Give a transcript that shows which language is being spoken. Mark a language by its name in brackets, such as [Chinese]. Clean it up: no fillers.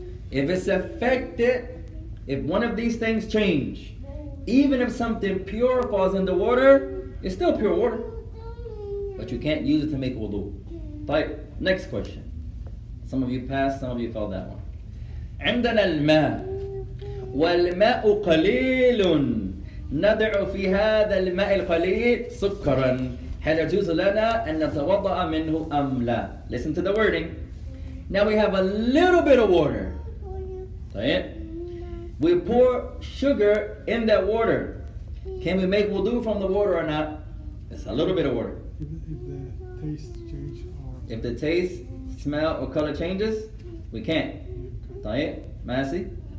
[English] If it's affected, if one of these things change, even if something pure falls in the water, it's still pure water. But you can't use it to make wudu. طيب, next question. Some of you passed, some of you failed that one. [Arabic] عندنا الماء والماء قليل ندع في هذا الماء القليل سكرا هل يجوز لنا أن نتوضأ منه أم لا. [English] Listen to the wording. Now we have a little bit of water. طيب. We pour sugar in that water. Can we make wudu from the water or not? It's a little bit of water. If the taste change or... If the taste, smell, or color changes, we can't. طيب. Masi?